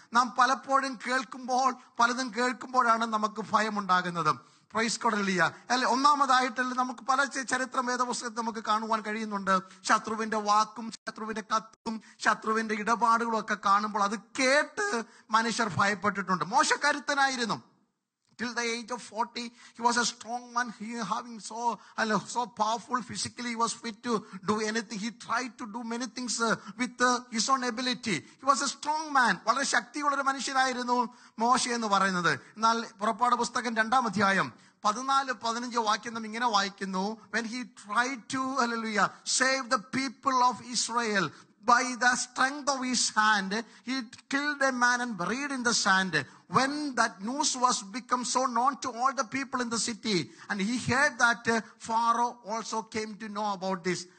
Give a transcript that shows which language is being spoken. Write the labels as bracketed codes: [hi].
[ml] നാം പലപ്പോഴും കേൾക്കുമ്പോൾ പലതും കേൾക്കുമ്പോഴാണ് നമുക്ക് ഭയം ഉണ്ടാകുന്നത്. [en] praise God [ml] hallelujah. അല്ലെ, ഒന്നാമതായിട്ടല്ലേ നമുക്ക് പല ചരിത്ര വേദപുസ്തകത്തിൽ നമുക്ക് കാണുവാൻ കഴിയുന്നുണ്ട്. ശത്രുവിന്റെ വാക്കും ശത്രുവിന്റെ കത്തും ശത്രുവിന്റെ ഇടപാടുകളും ഒക്കെ കാണുമ്പോൾ അത് കേട്ട് മനുഷ്യർ ഭയപ്പെട്ടിട്ടുണ്ട്. മോശക്കരുത്തനായിരുന്നു. [en] Till the age of 40, he was a strong man. He having so powerful physically, he was fit to do anything. He tried to do many things with his own ability. He was a strong man. [ml] വളരെ ശക്തിയുള്ള ഒരു മനുഷ്യനായിരുന്നു മോശ എന്ന് പറയുന്നത്. എന്നാൽ പുറപ്പാട് പുസ്തകം 2-ാം അധ്യായം 14-15 വാക്യം നാം ഇങ്ങനെ വായിക്കുന്നു. [en] When he tried to, hallelujah, save the people of Israel by the strength of his hand, he killed a man and buried in the sand. When that news was become so known to all the people in the city, and he heard that, Pharaoh also came to know about this.